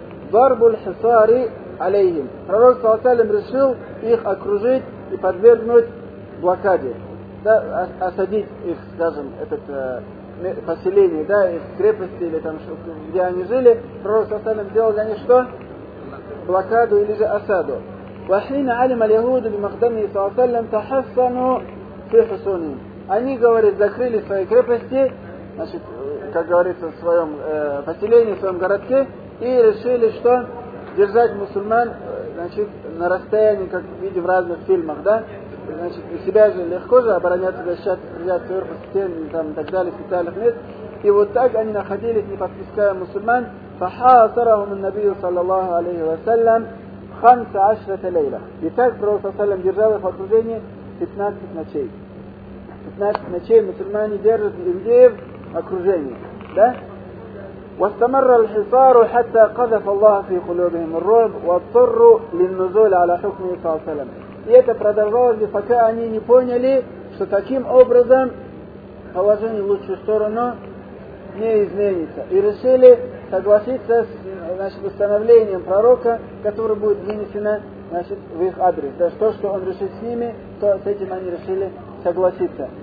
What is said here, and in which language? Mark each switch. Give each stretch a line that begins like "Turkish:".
Russian: Барбуль хисари алейхим. Пророк Саласалим решил их окружить и подвергнуть блокаде, да, осадить их, скажем, этот поселение, да, их крепости или там, где они жили. Пророк Саласалим сделал для них что? Блокаду или же осаду.
Arabic: وحين علم اليهود بمقدمه صلى الله عليه وسلم تحصنوا في حصونهم.
Russian: Они, говорит, закрыли свои крепости, значит, как говорится, в своем поселении, в своем городке, и решили, что держать мусульман, значит, на расстоянии, как видим в разных фильмах, да? Значит, у себя же легко же обороняться, защищаться, стрелять сверху стен и там, и так далее, специальных мест. И вот так они находились, не подпуская мусульман.
Arabic: فحاصرهم النبي صلى الله عليه وسلم خمس عشرة ليلة.
Russian: Итак, пророк саллям держал их в окружении 15 ночей. 15 ночей мусульмане держат евреев в окружении. Да?
Arabic: واستمر الحصار حتى قذف الله في قلوبهم الرعب واضطروا للنزول على حكمه صلى الله عليه وسلم.
Russian: И это продолжалось, пока они не поняли, что таким образом положение в лучшую сторону не изменится. И решили согласиться с, значит, установлением пророка, которое будет вынесено, значит, в их адрес. Да, то, что он решит с ними, то с этим они решили согласиться.